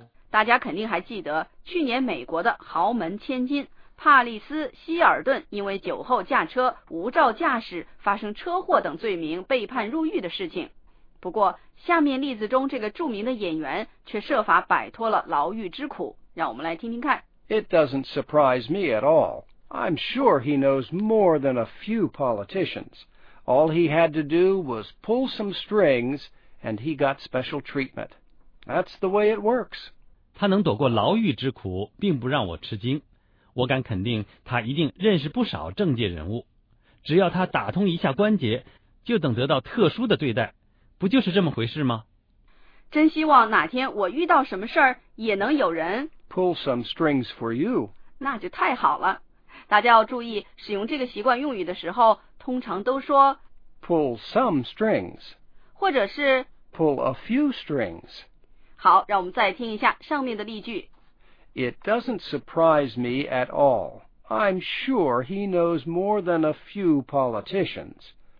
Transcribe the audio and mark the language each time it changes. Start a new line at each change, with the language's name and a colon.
Chinese: 大家肯定还记得去年美国的豪门千金帕里斯·希尔顿因为酒后驾车、无照驾驶、发生车祸等罪名被判入狱的事情。不过，下面例子中这个著名的演员却设法摆脱了牢狱之苦。让我们来听听看。
English: It doesn't surprise me at all. I'm sure he knows more than a few politicians. All he had to do was pull some strings, and he got special treatment. That's the way it works.
Chinese: 他能躲过牢狱之苦，并不让我吃惊。我敢肯定，他一定认识不少政界人物。只要他打通一下关节，就等得到特殊的对待，不就是这么回事吗？真希望哪天我遇到什么事儿，也能有人
English: pull some strings for you.
Chinese: 那就太好了。大家要注意，使用这个习惯用语的时候，通常都说
English: pull some strings,
Chinese: 或者是
English: pull a few strings.
Chinese: 好，让我们再听一下上面的例句。
English: It doesn't surprise me at all. I'm sure he knows more than a few politicians.